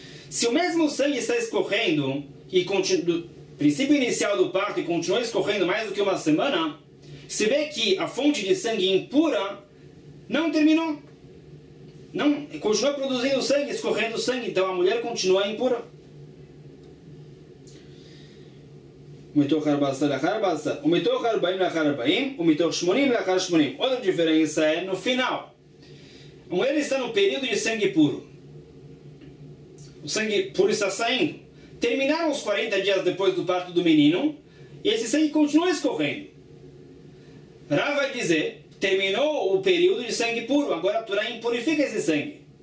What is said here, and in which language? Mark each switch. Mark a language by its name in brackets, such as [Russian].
[Portuguese] Se o mesmo sangue está escorrendo, e do princípio inicial do parto, e continua escorrendo mais do que uma semana, se vê que a fonte de sangue impura não terminou. Não, continua produzindo sangue, escorrendo sangue, então a mulher continua impura. [Hebrew] ומתוך 14 לאחר 14, ומתוך 40 לאחר 40, ומתוך 80 לאחר 80. [Portuguese] Outra diferença é no final. A mulher está no período de sangue puro. O sangue puro está saindo. Terminaram os 40 dias depois do parto do menino, e esse sangue continua escorrendo. Rav vai dizer, terminou o período de sangue puro, agora a Torá impurifica esse sangue.